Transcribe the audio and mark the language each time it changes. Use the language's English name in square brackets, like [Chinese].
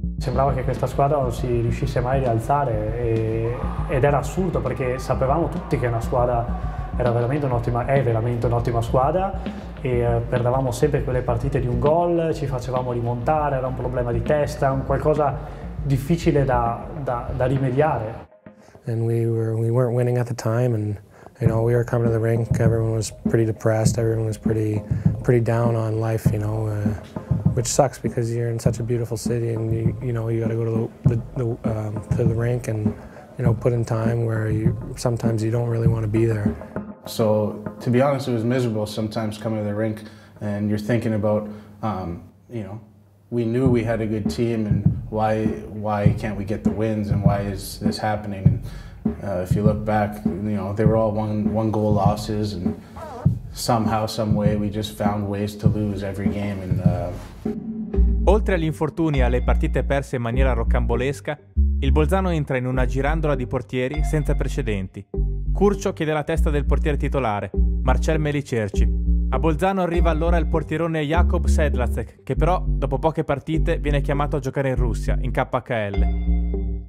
[Italian] Sembrava che questa squadra non si riuscisse mai a rialzare ed era assurdo perché sapevamo tutti che una squadra è veramente un'ottima squadra e perdevamo sempre quelle partite di un gol, ci facevamo rimontare, era un problema di testa, un qualcosa difficile da rimediare. [English] And we weren't winning at the time and you know we were coming to the rink, everyone was pretty depressed, everyone was pretty down on life, you know, which sucks because you're in such a beautiful city and you got to go to the rink and you know put in time where sometimes you don't really want to be there. So to be honest, it was miserable sometimes coming to the rink and you're thinking about, you know, we knew we had a good team and why can't we get the wins and why is this happening? And if you look back, you know, they were all one goal losses and somehow, some way, we just found ways to lose every game. And, [Italian] Oltre agli infortuni e alle partite perse in maniera rocambolesca, il Bolzano entra in una girandola di portieri senza precedenti. Curcio chiede la testa del portiere titolare, Marcel Melicerci. A Bolzano arriva allora il portierone Jakub Sedlacek, che però, dopo poche partite, viene chiamato a giocare in Russia, in KHL.